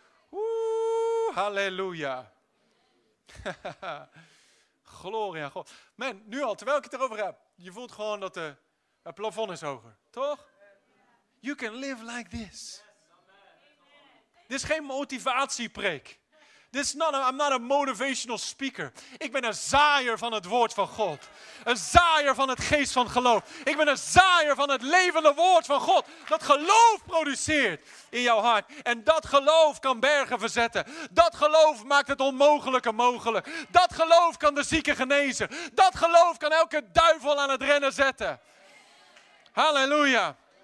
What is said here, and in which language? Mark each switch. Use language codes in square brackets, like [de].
[nl] Oeh, halleluja. Gloria God. Man, nu al, terwijl ik het erover heb, je voelt gewoon dat het plafond is hoger. Toch? [en] You can live like this. [nl] Dit is geen motivatiepreek. [en] I'm not a motivational speaker. [nl] Ik ben een zaaier van het woord van God. Een zaaier van het geest van geloof. Ik ben een zaaier van het levende woord van God. Dat geloof produceert in jouw hart. En dat geloof kan bergen verzetten. Dat geloof maakt het onmogelijke mogelijk. Dat geloof kan de zieke genezen. Dat geloof kan elke duivel aan het rennen zetten. Halleluja.